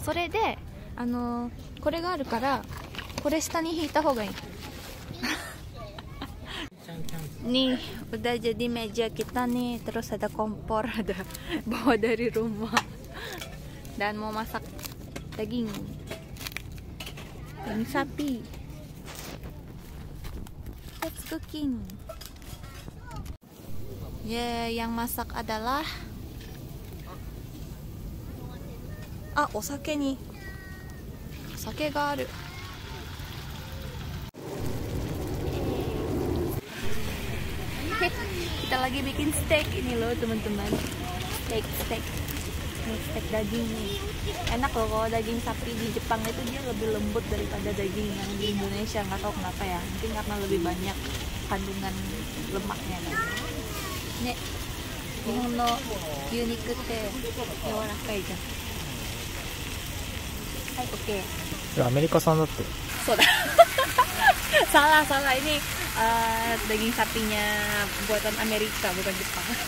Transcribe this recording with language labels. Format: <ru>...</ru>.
<ja>それで、これがあるから、これ下に引いた方がいい。</ja> <id>Nih, udah jadi meja kita nih, terus ada kompor, ada bawa dari rumah. Dan mau masak daging. Daging sapi.</id> <en>Let's cooking.</en> <id>Yeah, yang masak adalah</id> <ja>お酒に。お酒がある。</ja> <id>Kita lagi bikin steak ini loh teman-teman. Steak. Ini steak daging nih. Enak loh kalau daging sapi di Jepang itu dia lebih lembut daripada daging yang di Indonesia. Nggak tahu kenapa ya. Mungkin karena lebih banyak kandungan lemaknya. Nih.</id> <ja>ね、日本の牛肉って柔らかいじゃん。はい、OK。これアメリカ産だって。そうだ。</ja> <id>salah ini daging sapinya buatan Amerika bukan Jepang.</id>